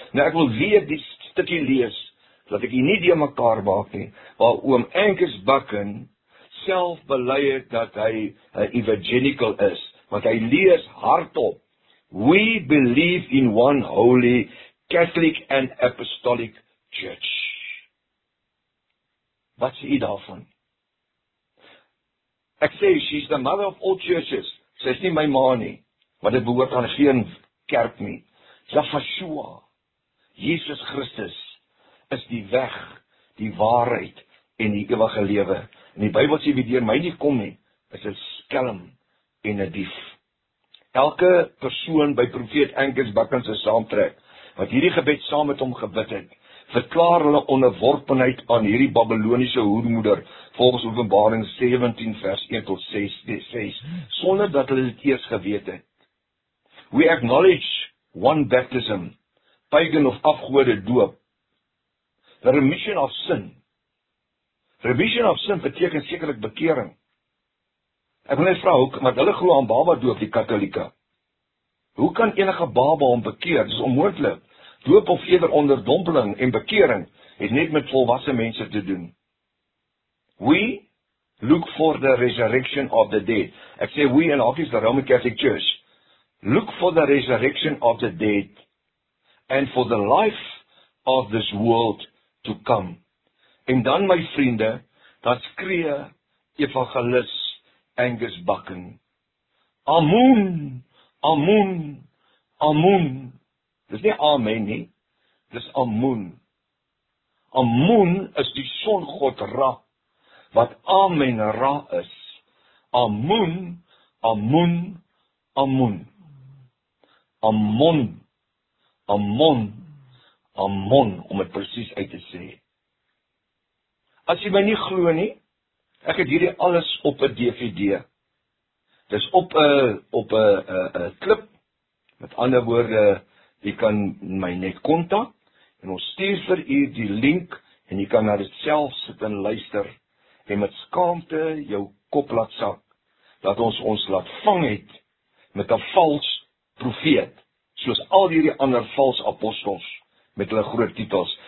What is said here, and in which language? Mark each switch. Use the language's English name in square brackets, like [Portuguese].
[Afrikaans] Nou ek wil weer die stukkie lees, dat ek hier nie deur mekaar maak nie, waar oom Angus Bakken self bely het dat hy evangelical is, want hy lees hardop, we believe in one holy Catholic and Apostolic Church. Wat sê jy daarvan? [English] Ek sê, she's the mother of all churches. [Afrikaans] Sy is nie my ma nie, want dit behoort aan geen kerk nie. Yahshua, Jesus Christus, is die weg, die waarheid, en die ewige lewe. En die Bybel sê, wie deur my nie kom nie, is 'n skelm en 'n dief. Elke persoon by profeet Angus Bakken se saamtrek, wat hierdie gebed saam met hom gebid het, verklaar hulle onderworpenheid aan hierdie Babyloniese hoermoeder, volgens Openbaring 17 vers 1 tot 6, sonder dat hulle dit eers geweet het. [English] We acknowledge one baptism, pagan of afgode doop, the remission of sin. [Afrikaans] Remission of sin beteken sekerlik bekering. Ek wil net vra, want hulle glo aan baba doop, die katholieke. Hoe kan enige baba hom bekeer? Dis onmoontlik. Doop of eerder onderdompeling en bekering het net met volwasse mense te doen. [English] We look for the resurrection of the dead. Ek sê we in hakies the Roman Catholic Church. Look for the resurrection of the dead and for the life of this world to come. [Afrikaans] En dan my vriende, dat skree evangelis Angus Bakken. Amun, amun, amun. Dis nie amen nie, dis amun. Amun is die songod Ra, wat amen Ra is. Amun, amun, amun. Amon, amon, amon, om het precies uit te sê. As jy my nie glo nie, ek het hierdie alles op 'n DVD. Dis op 'n klip, met ander woorde, jy kan my net kontak, en ons stuur vir u die link, en jy kan na dit self sit en luister, en met skaamte jou kop laat sak, dat ons ons laat vang het, met 'n vals profeet, soos al hierdie ander vals apostels, met hulle groot titels.